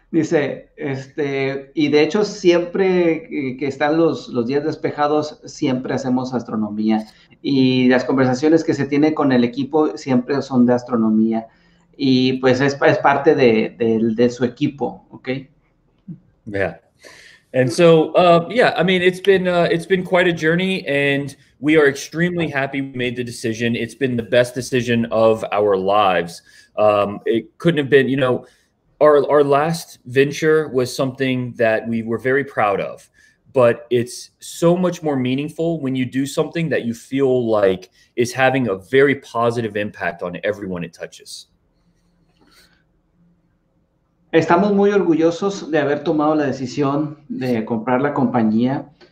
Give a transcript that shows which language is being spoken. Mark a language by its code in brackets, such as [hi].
[es] Dice, y de hecho siempre que están los días despejados, siempre hacemos astronomía. Y las conversaciones que se tiene con el equipo siempre son de astronomía. Y pues es parte de su equipo, ¿okay? [en] Yeah. And so, I mean, it's been quite a journey and we are extremely happy we made the decision. It's been the best decision of our lives. It couldn't have been, you know, our last venture was something that we were very proud of, but it's so much more meaningful when you do something that you feel like is having a very positive impact on everyone it touches. [es] Estamos muy orgullosos de haber tomado la decisión de comprar la compañía.